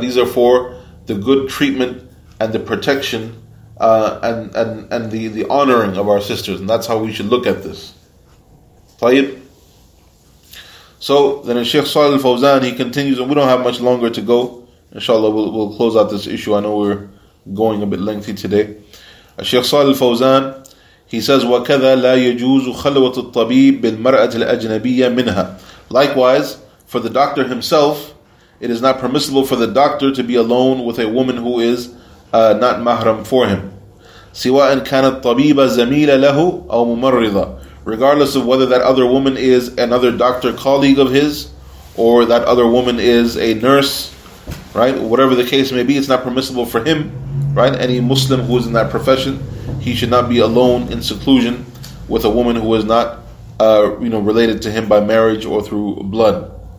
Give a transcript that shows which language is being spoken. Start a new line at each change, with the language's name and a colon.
English: These are for the good treatment and the protection and the honoring of our sisters, and that's how we should look at this.
Arabic: طيب.
English: So then Sheikh Salih al-Fawzan, he continues, and we don't have much longer to go. Inshallah, we'll close out this issue. I know we're going a bit lengthy today. Sheikh Salih al-Fawzan, he says,
Arabic: وَكَذَا لَا يَجُوزُ خَلْوَةُ الطَّبِيبِ بِالْمَرْأَةِ الْأَجْنَبِيَّ مِنْهَا.
English: Likewise, for the doctor himself, it is not permissible for the doctor to be alone with a woman who is not mahram for him.
Arabic: سِوَاءً كَانَتْ طَبِيبَ زَمِيلَ لَهُ أَوْ مُمَرِّضَ.
English: Regardless of whether that other woman is another doctor colleague of his, or that other woman is a nurse, right? Whatever the case may be, it's not permissible for him, right? Any Muslim who is in that profession, he should not be alone in seclusion with a woman who is not, related to him by marriage or through blood.